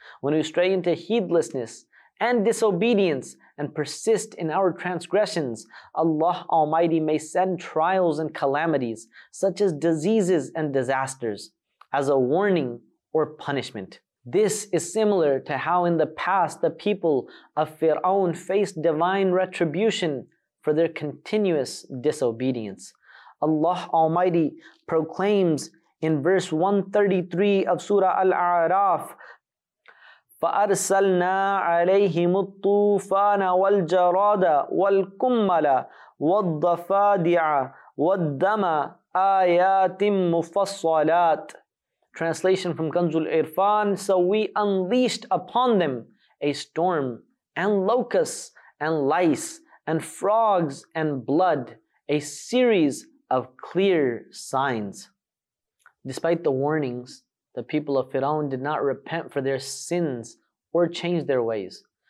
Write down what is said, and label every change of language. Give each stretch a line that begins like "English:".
English: When we stray into heedlessness and disobedience and persist in our transgressions, Allah Almighty may send trials and calamities, such as diseases and disasters, as a warning or punishment. This is similar to how in the past the people of Fir'aun faced divine retribution for their continuous disobedience. Allah Almighty proclaims in verse 133 of Surah Al-A'raf,
Arabic: فَأَرْسَلْنَا عَلَيْهِمُ الطُّوفَانَ وَالْجَرَادَ وَالْكُمَّلَ وَالضَّفَادِعَ وَالدَّمَ آيَاتٍ مُفَصَّلَاتٍ.
English: Translation from Kanzul Irfan: so we unleashed upon them a storm and locusts and lice and frogs and blood, a series of clear signs. Despite the warnings, the people of Fir'aun did not repent for their sins or change their ways.